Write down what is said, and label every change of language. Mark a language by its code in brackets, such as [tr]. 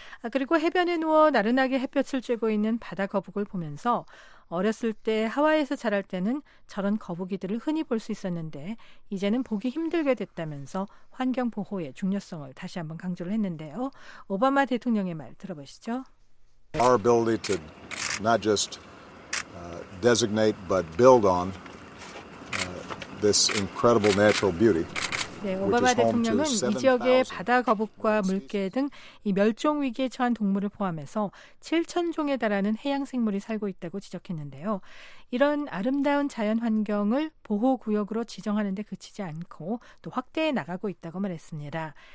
[ko] 그리고 해변에 누워 나른하게 햇볕을 쬐고 있는 바다 거북을 보면서 어렸을 때 하와이에서 자랄 때는 저런 거북이들을 흔히 볼 수 있었는데 이제는 보기 힘들게 됐다면서 환경 보호의 중요성을 다시 한번 강조를 했는데요. 오바마 대통령의 말 들어보시죠. [en] Our ability to not just designate but build on this incredible natural beauty. [ko] 네, 오바마 대통령은 이 지역의 바다 거북과 물개 등 이 멸종 위기에 처한 동물을 포함해서 7,000종에 달하는 해양 생물이 살고 있다고 지적했는데요. 이런 아름다운 자연 환경을 보호 구역으로 지정하는 데 그치지 않고 또 확대해 나가고 있다고 말했습니다.